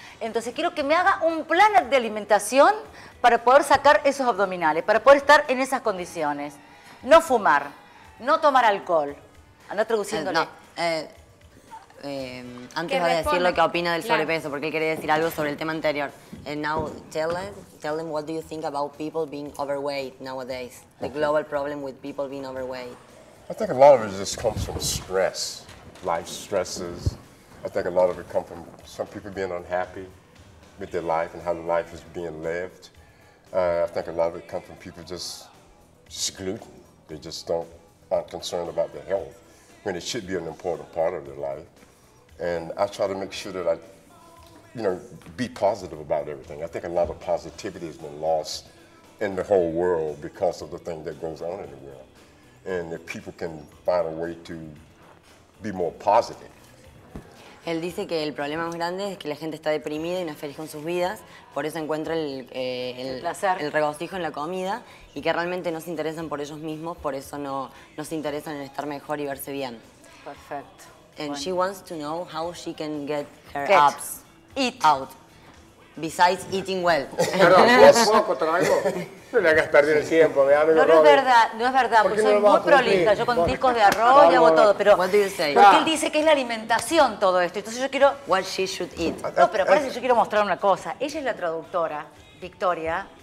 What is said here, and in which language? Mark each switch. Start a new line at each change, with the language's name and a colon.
Spanish: Entonces, quiero que me haga un plan de alimentación para poder sacar esos abdominales, para poder estar en esas condiciones. No fumar, no tomar alcohol, andar traduciéndole. Antes voy a decir lo que opina del sobrepeso, porque él quería decir algo sobre el tema anterior.
English: And now, tell him what do you think about people being overweight nowadays? The global problem with people being overweight. I think a lot of it just comes from stress, life stresses. I think a lot of it comes from some people being unhappy with their life and how their life is being lived. I think a lot of it comes from people just gluten. They just aren't concerned about their health when it should be an important part of their life. And I try to make sure that I, be positive about everything. I think a lot of positivity has been lost in the whole world because of the thing that goes on in the world. And if people can find a way to be more positive.
Spanish: Él dice que el problema más grande es que la gente está deprimida y no es feliz con sus vidas, por eso encuentra el regocijo en la comida y que realmente no se interesan por ellos mismos, por eso no se interesan en estar mejor y verse bien. Perfecto. And bueno.
English: She wants to know how she can get her abs out, besides eating well.
Spanish: Perdón, ¿vos contra algo? No le hagas perder el tiempo, mi amigo. No es verdad, porque soy muy prolija. Yo con discos de arroz y hago todo. Pero porque él dice que es la alimentación todo esto. Entonces yo quiero...
English: What she should eat.
Spanish: No, pero parece que yo quiero mostrar una cosa. Ella es la traductora, Victoria.